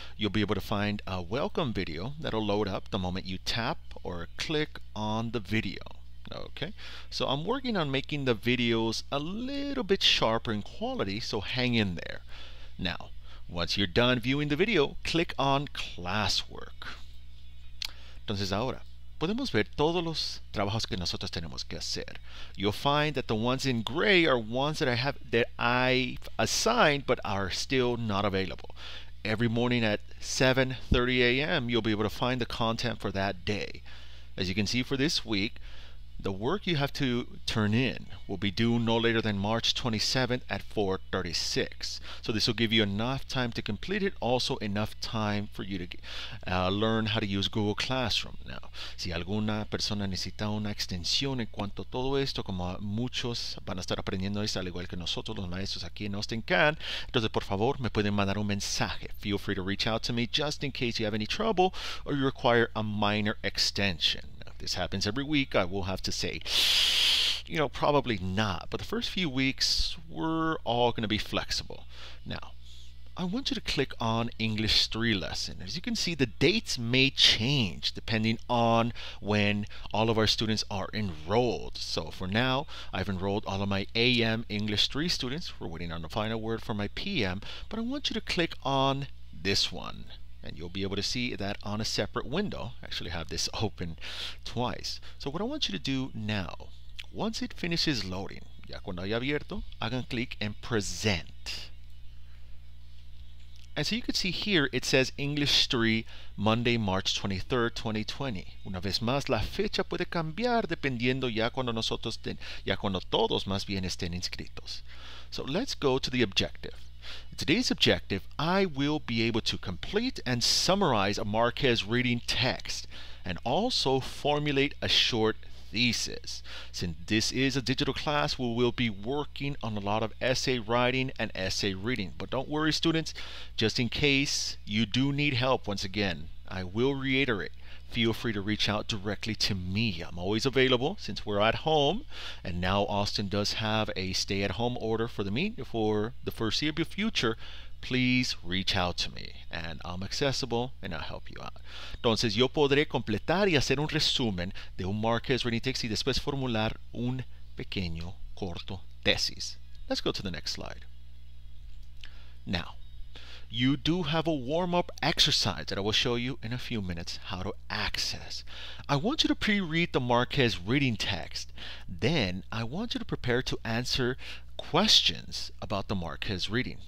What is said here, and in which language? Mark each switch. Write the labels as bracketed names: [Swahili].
[English] You'll be able to find a welcome video that'll load up the moment you tap or click on the video. Okay, so I'm working on making the videos a little bit sharper in quality, so hang in there. Now, once you're done viewing the video, click on Classwork. [Spanish] Entonces ahora, podemos ver todos los trabajos que nosotros tenemos que hacer. [English] You'll find that the ones in gray are ones that I've assigned but are still not available. Every morning at 7:30 a.m., you'll be able to find the content for that day. As you can see for this week, the work you have to turn in will be due no later than March 27th at 4:36. So this will give you enough time to complete it, also enough time for you to learn how to use Google Classroom. Now, [Spanish] si alguna persona necesita una extensión en cuanto a todo esto, como muchos van a estar aprendiendo esto, al igual que nosotros, los maestros aquí en Austin can, entonces por favor, me pueden mandar un mensaje. [English] Feel free to reach out to me just in case you have any trouble or you require a minor extension. This happens every week, I will have to say, you know, probably not. But the first few weeks, we're all going to be flexible. Now, I want you to click on English 3 lesson. As you can see, the dates may change depending on when all of our students are enrolled. So for now, I've enrolled all of my AM English 3 students. We're waiting on the final word for my PM. But I want you to click on this one. And you'll be able to see that on a separate window. Actually have this open twice. So what I want you to do now, once it finishes loading, [Spanish] ya cuando haya abierto, hagan clic en present. [English] And so you can see here, it says English 3, Monday, March 23rd, 2020. [Spanish] Una vez más, la fecha puede cambiar dependiendo ya cuando nosotros, ya cuando todos más bien estén inscritos. [English] So let's go to the objective. In today's objective, I will be able to complete and summarize a Marquez reading text and also formulate a short thesis. Since this is a digital class, we will be working on a lot of essay writing and essay reading. But don't worry, students, just in case you do need help, once again, I will reiterate, feel free to reach out directly to me. I'm always available since we're at home, and now Austin does have a stay-at-home order for the foreseeable future. Please reach out to me, and I'm accessible, and I'll help you out. [Spanish] Entonces, yo podré completar y hacer un resumen de un [English] Marquez reading text [Spanish] y después formular un pequeño corto tesis. [English] Let's go to the next slide. Now, you do have a warm-up exercise that I will show you in a few minutes how to access. I want you to pre-read the Marquez reading text. Then, I want you to prepare to answer questions about the Marquez reading.